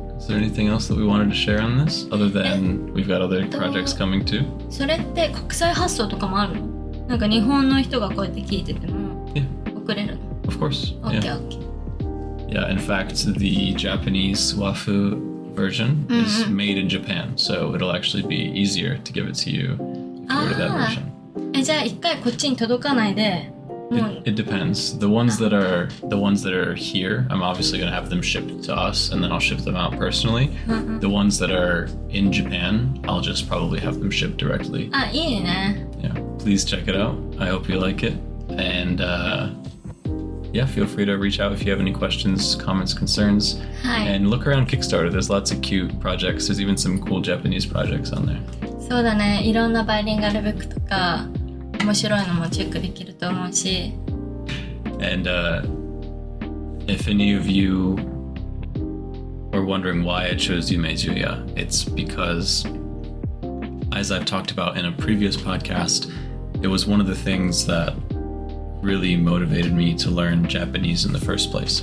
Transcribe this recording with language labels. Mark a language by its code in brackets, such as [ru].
[en] Is there anything else that we wanted to share on this? Other than we've got other projects coming too? [ja] それって国際発送とかもあるの？なんか日本の人がこうやって聞いてても送れるの？ [en] Of course. Okay, okay. Yeah, in fact, the Japanese WAFU version is made in Japan, so it'll actually be easier to give it to you if you order that version. [ja] え、じゃあ一回こっちに届かないで。 [en] It depends. The ones that are here, I'm obviously going to have them shipped to us, and then I'll ship them out personally. The ones that are in Japan, I'll just probably have them shipped directly. [ja] Ah, いいね。 [en] Yeah, please check it out. I hope you like it. And yeah, feel free to reach out if you have any questions, comments, concerns. And look around Kickstarter. There's lots of cute projects. There's even some cool Japanese projects on there. [ja] そうだね。いろんなバイリンガルブックとか。面白いのもチェックできると思うし。 [en] And if any of you were wondering why I chose Yume Juya, it's because, as I've talked about in a previous podcast, it was one of the things that really motivated me to learn Japanese in the first place.